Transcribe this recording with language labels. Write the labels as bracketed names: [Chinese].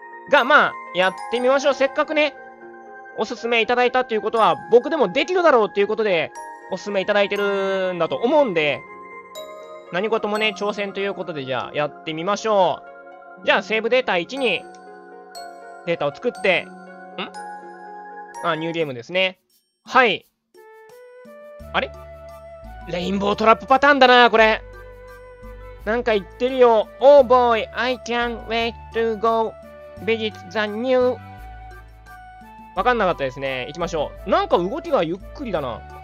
[Japanese] が、まあ、やってみましょう。せっかくね、おすすめいただいたということは、僕でもできるだろうということで、おすすめいただいてるんだと思うんで、何事もね、挑戦ということで、じゃあ、やってみましょう。じゃあ、セーブデータ1に、データを作って、ニューゲームですね。はい。あれ? レインボートラップパターンだな、これ。なんか言ってるよ。 [English] Oh boy, I can't wait to go visit the new. [Japanese] わかんなかったですね。行きましょう。なんか動きがゆっくりだな。